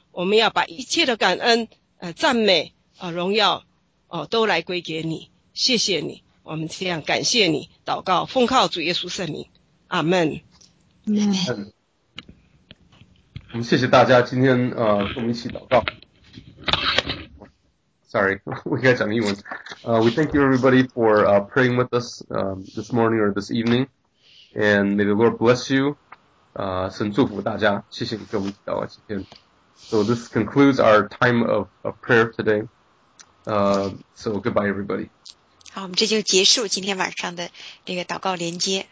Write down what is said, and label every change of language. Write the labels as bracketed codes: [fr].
[zh] 我们要把一切的感恩赞美荣耀都来归给你。谢谢你，我们这样感谢你，祷告奉靠主耶稣圣名，阿们。我们谢谢大家今天跟我们一起祷告。 [en] Sorry, we got some new ones. We thank you everybody for praying with us this morning or this evening. And may the Lord bless you. [zh] 神祝福大家，谢谢你跟我们一起祷告今天。 [en] So this concludes our time of prayer today. So goodbye everybody. [zh] 好，我们这就结束今天晚上的这个祷告连接。